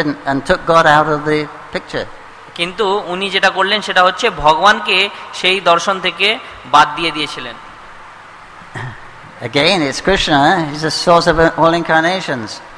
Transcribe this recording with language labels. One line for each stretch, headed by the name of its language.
English: And took God out of the picture.
Bangla: কিন্তু উনি যেটা করলেন সেটা হচ্ছে ভগবানকে সেই দর্শন থেকে বাদ দিয়ে দিয়েছিলেন.
English: Again, it's Krishna. He's the source of all incarnations.